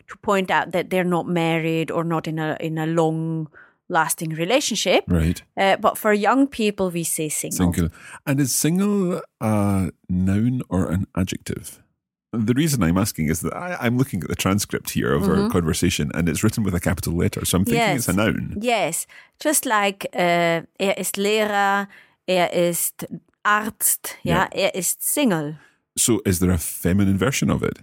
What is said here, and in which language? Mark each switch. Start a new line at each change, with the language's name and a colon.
English: to point out that they're not married or not in a long-lasting relationship. Right. But for young people, we say single. Single. And is single a noun or an adjective? The reason I'm asking is that I'm looking at the transcript here of mm-hmm. our conversation, and it's written with a capital letter, so I'm thinking yes. it's a noun. Yes, just like
German: er ist Lehrer, er ist Arzt,
English: yeah.
German: Ja, er ist single.
English: So is there a feminine version of it?